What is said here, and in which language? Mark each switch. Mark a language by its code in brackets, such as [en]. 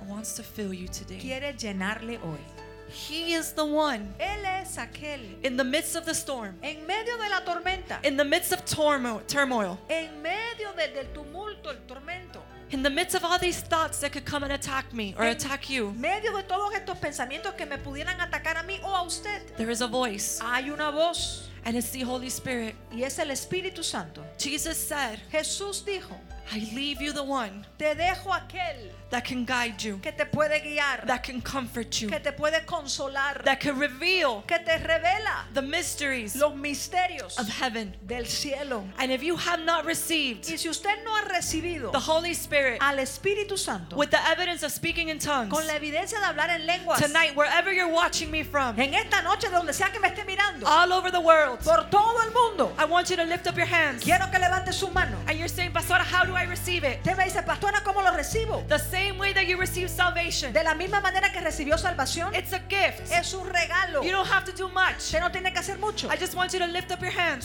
[en] Wants to fill you today. [es] Quiere llenarle hoy. [en] He is the one. [es] Él es aquel. [en] In the midst of the storm. [es] En medio de la tormenta. [en] In the midst of turmoil. [es] En medio del tumulto, el tormento. [en] In the midst of all these thoughts that could come and attack me or attack you. [es] En medio de todos estos pensamientos que me pudieran atacar a mí o a usted. [en] There is a voice. [es] Hay una voz. [en] And it's the Holy Spirit. [es] Y es el Espíritu Santo. [en] Jesus said. [es] Jesús dijo. [en] I leave you the one. [es] Te dejo aquel. [en] That can guide you. [es] Que te puede guiar. [en] That can comfort you. [es] Que te puede consolar. [en] That can reveal. [es] Que te revela. [en] The mysteries. [es] Los misterios. [en] Of heaven. [es] Del cielo. [en] And if you have not received. [es] Y si usted no ha recibido. [en] The Holy Spirit. [es] Al Espíritu Santo. [en] With the evidence of speaking in tongues. [es] Con la evidencia de hablar en lenguas. [en] Tonight, wherever you're watching me from. [es] En esta noche, donde sea que me esté mirando. [en] All over the world. [es] Por todo el mundo. [en] I want you to lift up your hands. [es] Quiero que levante su mano. [en] And you're saying, Pastora, how do I receive it? [es] Te me dice, Pastora, ¿cómo lo recibo? [en] The same way that you receive salvation. [es] De la misma manera que recibió salvación. [en] It's a gift. [es] Es un regalo. [en] You don't have to do much. [es] Usted no tiene que hacer mucho. [en] I just want you to lift up your hands.